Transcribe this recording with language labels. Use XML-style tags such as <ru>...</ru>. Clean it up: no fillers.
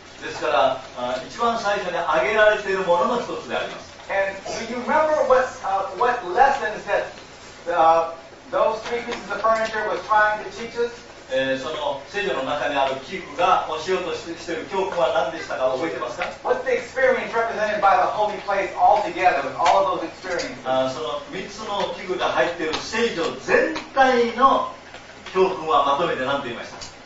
<ja>ですから、一番最初に挙げられているものの一つであります。</ja> <en>And do you remember what lessons that those three pieces of furniture was trying to teach us?</en> <ja>その聖女の中にある器具が教えようとしている教訓は何でしたか覚えてますか</ja> <en>What's the experience represented by the holy place altogether with all of those experiences?</en> <ja>その3つの器具が入っている聖女全体の教訓はまとめて何と言いました</ja>